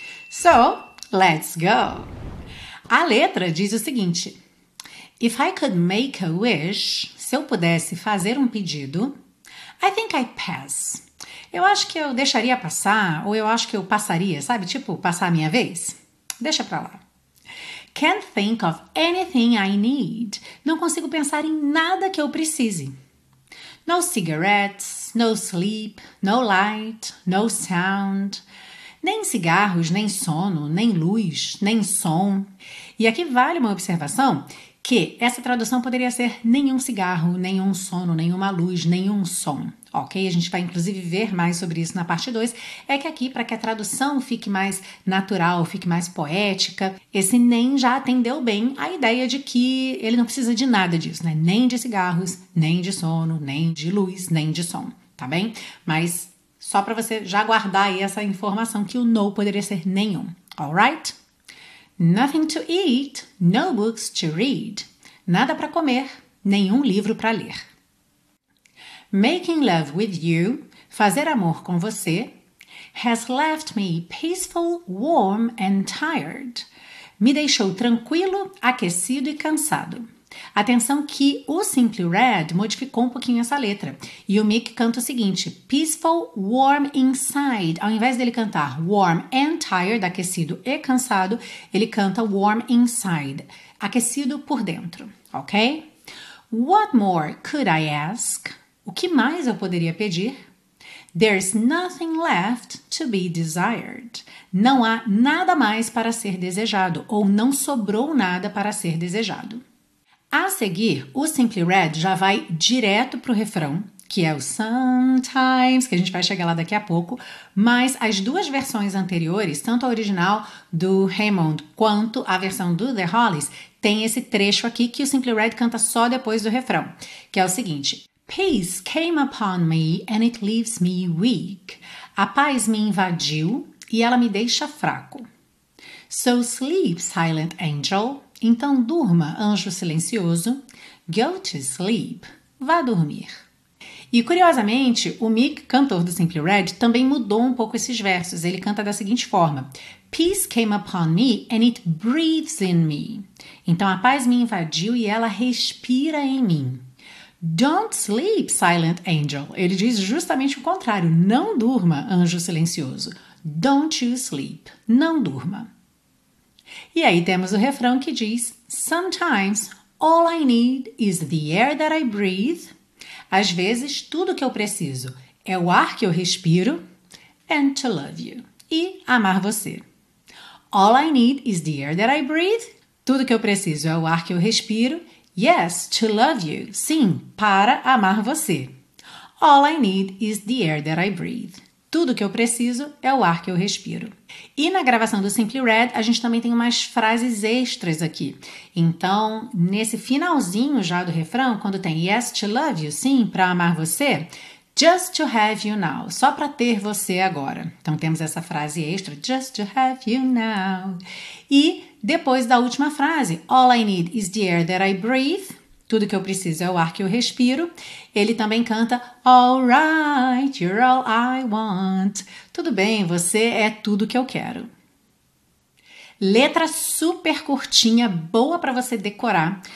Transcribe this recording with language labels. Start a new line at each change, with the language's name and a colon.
English: So, let's go!
Portuguese: A letra diz o seguinte:
English: If I could make a wish,
Portuguese: se eu pudesse fazer um pedido,
English: I think I'd pass.
Portuguese: Eu acho que eu deixaria passar, ou eu acho que eu passaria, sabe? Tipo, passar a minha vez? Deixa para lá.
English: Can't think of anything I need.
Portuguese: Não consigo pensar em nada que eu precise.
English: No cigarettes, no sleep, no light, no sound.
Portuguese: Nem cigarros, nem sono, nem luz, nem som. E aqui vale uma observação que essa tradução poderia ser nenhum cigarro, nenhum sono, nenhuma luz, nenhum som. Ok? A gente vai inclusive ver mais sobre isso na parte 2. É que aqui, para que a tradução fique mais natural, fique mais poética, esse nem já atendeu bem a ideia de que ele não precisa de nada disso, né? Nem de cigarros, nem de sono, nem de luz, nem de som, tá bem? Mas só para você já guardar aí essa informação que o no poderia ser nenhum, alright?
English: Nothing to eat, no books to read.
Portuguese: Nada para comer, nenhum livro para ler.
English: Making love with you,
Portuguese: fazer amor com você,
English: has left me peaceful, warm and tired.
Portuguese: Me deixou tranquilo, aquecido e cansado. Atenção que o Simply Red modificou um pouquinho essa letra. E o Mick canta o seguinte:
English: peaceful, warm inside.
Portuguese: Ao invés dele cantar
English: warm and tired,
Portuguese: aquecido e cansado, ele canta
English: warm inside,
Portuguese: aquecido por dentro, ok?
English: What more could I ask?
Portuguese: O que mais eu poderia pedir?
English: There's nothing left to be desired.
Portuguese: Não há nada mais para ser desejado, ou não sobrou nada para ser desejado. A seguir, o Simply Red já vai direto para o refrão, que é o Sometimes, que a gente vai chegar lá daqui a pouco, mas as duas versões anteriores, tanto a original do Hammond quanto a versão do The Hollies, tem esse trecho aqui que o Simply Red canta só depois do refrão, que é o seguinte:
English: Peace came upon me and it leaves me weak.
Portuguese: A paz me invadiu e ela me deixa fraco.
English: So sleep, silent angel.
Portuguese: Então durma, anjo silencioso.
English: Go to sleep.
Portuguese: Vá dormir. E curiosamente, o Mick, cantor do Simply Red, também mudou um pouco esses versos. Ele canta da seguinte forma:
English: Peace came upon me and it breathes in me.
Portuguese: Então, a paz me invadiu e ela respira em mim.
English: Don't sleep, silent angel.
Portuguese: Ele diz justamente o contrário. Não durma, anjo silencioso.
English: Don't you sleep.
Portuguese: Não durma. E aí temos o refrão que diz,
English: sometimes all I need is the air that I breathe.
Portuguese: Às vezes, tudo que eu preciso é o ar que eu respiro.
English: And to love you.
Portuguese: E amar você.
English: All I need is the air that I breathe.
Portuguese: Tudo que eu preciso é o ar que eu respiro.
English: Yes, to love you.
Portuguese: Sim, para amar você.
English: All I need is the air that I breathe.
Portuguese: Tudo que eu preciso é o ar que eu respiro. E na gravação do Simply Red, a gente também tem umas frases extras aqui. Então, nesse finalzinho já do refrão, quando tem
English: yes, to love you,
Portuguese: sim, para amar você,
English: just to have you now,
Portuguese: só para ter você agora. Então, temos essa frase extra,
English: just to have you now.
Portuguese: E depois da última frase,
English: all I need is the air that I breathe,
Portuguese: tudo que eu preciso é o ar que eu respiro. Ele também canta,
English: all right, you're all I want.
Portuguese: Tudo bem, você é tudo que eu quero. Letra super curtinha, boa para você decorar.